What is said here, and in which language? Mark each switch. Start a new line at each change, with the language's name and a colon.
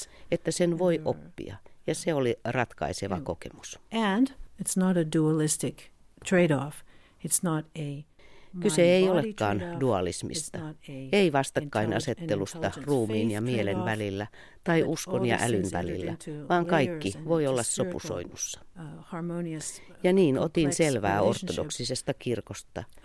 Finnish: Että sen voi oppia ja se oli ratkaiseva kokemus.
English: And it's not a dualistic trade-off. It's not a
Finnish: kyse ei olekaan dualismista, ei vastakkainasettelusta ruumiin ja mielen välillä tai uskon ja älyn välillä, vaan kaikki voi olla sopusoinnussa. Ja niin otin selvää ortodoksisesta kirkosta.